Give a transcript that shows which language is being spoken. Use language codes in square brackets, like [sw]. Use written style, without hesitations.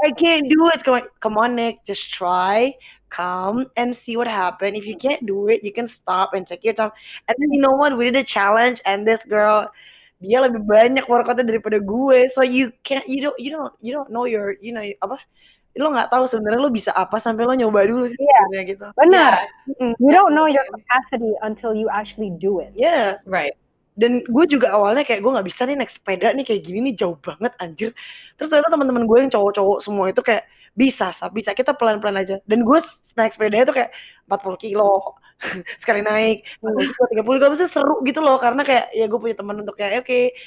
[en] I can't do it. It's going, come on, Nick, just try. Come and see what happened. If you can't do it, you can stop and take your time. And then you know what? We did a challenge, and this girl, [id] dia lebih banyak workoutnya daripada gue. [en] So you can't, you don't know your, you know, [id] apa? Lo nggak tahu sebenarnya lo bisa apa sampai lo nyoba dulu sih, sebenarnya gitu. Benar. [en] Yeah. You don't know your capacity until you actually do it. Yeah. Right. [id] Dan gue juga awalnya kayak gue nggak bisa nih naik sepeda nih kayak gini nih jauh banget anjir. Terus ternyata teman-teman gue yang cowok-cowok semua itu kayak bisa kita pelan-pelan aja. Dan gue naik sepeda itu kayak 40 kilo sekali naik, 30 kilo, maksudnya seru gitu loh, karena kayak ya gue punya teman untuk kayak okay.